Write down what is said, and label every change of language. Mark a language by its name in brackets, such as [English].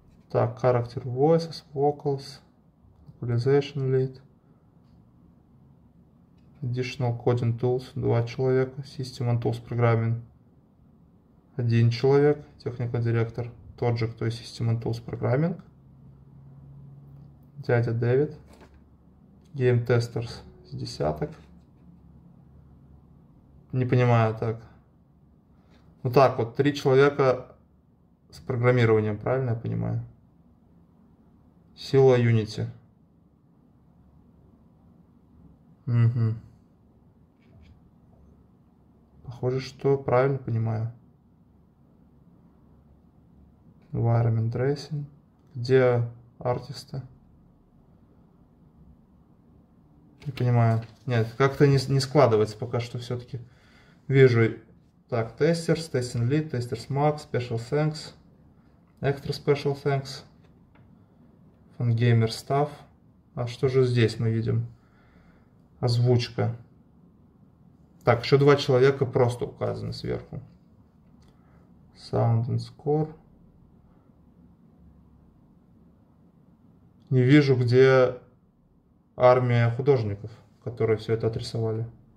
[English] Так, character voices, vocals, localization lead. Additional coding tools, [Russian] 2 человека. [English] System and tools programming, [Russian] 1 человек. [English] Technical director, [Russian] тот же, кто и [English] System and tools programming. [Russian] Дядя Дэвид. [English] Game testers, [Russian] с десяток. Не понимаю, так. Ну так вот, 3 человека с программированием, правильно я понимаю? Сила Unity. Похоже, что правильно понимаю. [English] Environment dressing. [Russian] Где артисты? Не понимаю. Нет, как-то не складывается пока что все-таки. Вижу. [English] Так, testers, testing lead, testers max, special thanks, extra special thanks, fun gamer staff. [Russian] А что же здесь мы видим? Озвучка. Так, еще два человека просто указаны сверху. [English] Sound and score. [Russian] Не вижу, где армия художников, которые все это отрисовали.